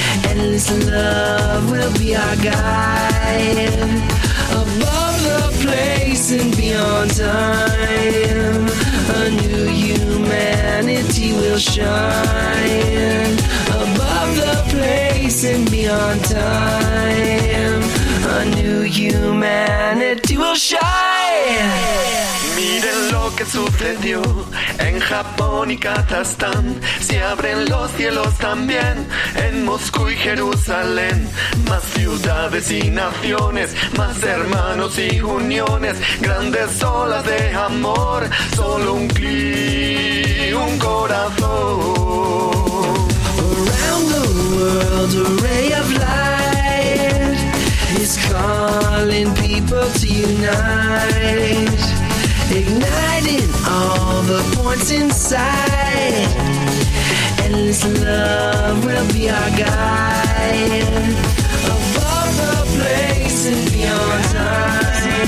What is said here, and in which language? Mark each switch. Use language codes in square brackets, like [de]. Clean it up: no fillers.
[en] Endless love will be our guide above the place and beyond time. A new humanity will shine above the place and beyond time. A new humanity will shine. [es] Miren lo que sucedió en Japón y Kazajstán, se abren los cielos también en Moscú y Jerusalén. Más ciudades y naciones, más hermanos y uniones, grandes olas de amor, solo un clic, un corazón. [en] Around the world a ray of light is calling people to unite, igniting all the points inside. Endless love will be our guide above the place and beyond time.